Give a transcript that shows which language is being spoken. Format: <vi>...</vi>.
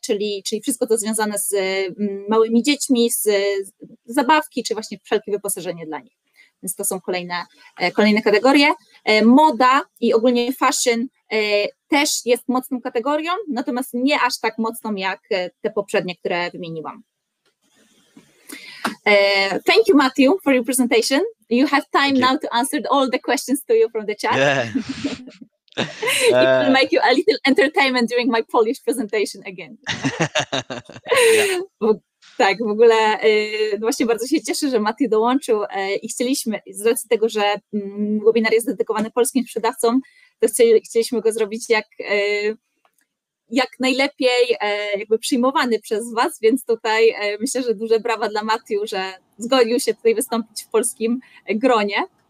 <pl>Czyli wszystko to związane z małymi dziećmi, z zabawki, czy właśnie wszelkie wyposażenie dla nich. Więc to są kolejne kategorie. Moda i ogólnie fashion też jest mocną kategorią, natomiast nie aż tak mocną jak te poprzednie, które wymieniłam.</pl> <en>Thank you, Matthew, for your presentation. You have time now to answer all the questions to you from the chat. Yeah. It will make you a little entertainment during my Polish presentation again. Yeah.</en> <pl>Tak, w ogóle właśnie bardzo się cieszę, że Matthew dołączył i chcieliśmy, z racji tego, że webinar jest dedykowany polskim sprzedawcom, to chcieliśmy go zrobić jak najlepiej jakby przyjmowany przez was, więc tutaj myślę, że duże brawa dla Matthew, że zgodził się tutaj wystąpić w polskim gronie.</pl>